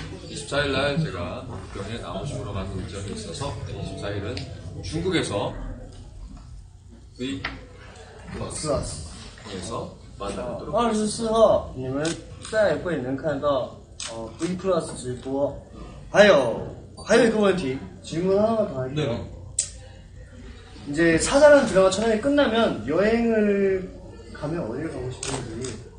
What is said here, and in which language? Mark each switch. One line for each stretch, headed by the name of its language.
Korean: 24일날 제가 북경에 나오시러 가는 일정이 있어서, 24일은. 중국에서 V플러스에서 만나도록 하겠습니다.
Chinese: 24号你们再会能看到V플러스 直播 还有一个问题
Korean: 질문 하나 더 할게요. 네. 이제 사자라는 드라마 촬영이 끝나면 여행을 가면 어디를 가고 싶은지